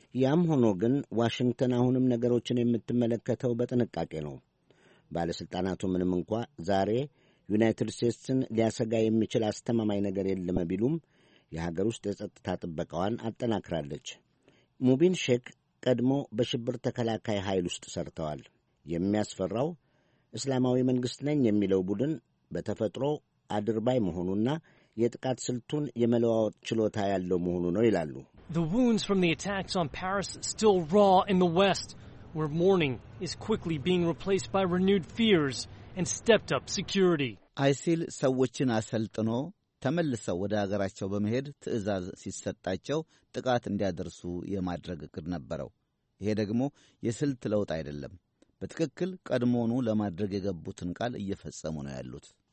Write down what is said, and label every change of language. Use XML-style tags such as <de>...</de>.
<am>ያም ሆኖ ግን ዋሽንግተን አሁንም ነገሮችን የምትመለከተው በጥንቃቄ ነው። ባለሥልጣናቱ ምንም እንኳ ዛሬ ዩናይትድ ስቴትስን ሊያሰጋ የሚችል አስተማማኝ ነገር የለም ቢሉም የሀገር ውስጥ የጸጥታ ጥበቃዋን አጠናክራለች። ሙቢን ሼክ ቀድሞ በሽብር ተከላካይ ኃይል ውስጥ ሰርተዋል። የሚያስፈራው እስላማዊ መንግሥት ነኝ የሚለው ቡድን በተፈጥሮ አድርባይ መሆኑና የጥቃት ስልቱን የመለዋወጥ ችሎታ ያለው መሆኑ ነው ይላሉ።</am> <en>The wounds from the attacks on Paris still raw in the West, where mourning is quickly being replaced by renewed fears and stepped up security.</en> <am>አይሲል ሰዎችን አሰልጥኖ ተመልሰው ወደ አገራቸው በመሄድ ትዕዛዝ ሲሰጣቸው ጥቃት እንዲያደርሱ የማድረግ እቅድ ነበረው። ይሄ ደግሞ የስልት ለውጥ አይደለም። በትክክል ቀድሞኑ ለማድረግ የገቡትን ቃል እየፈጸሙ ነው ያሉት።</am>